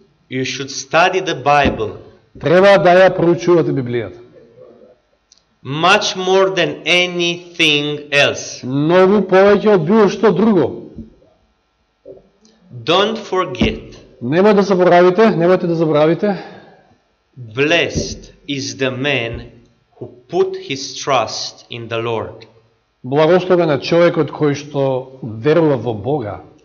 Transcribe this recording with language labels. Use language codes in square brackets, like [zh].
[en] you should study the Bible. [mk] Треба да ја проучувате Библијата. [en] Much more than anything else. [mk] Многу повеќе од било што друго. [en] Don't forget. [mk] Немој да заборавите, немојте да заборавите. [en] Blessed is the man who put his trust in the Lord. [mk] Благословен е човекот кој што верува во Бога.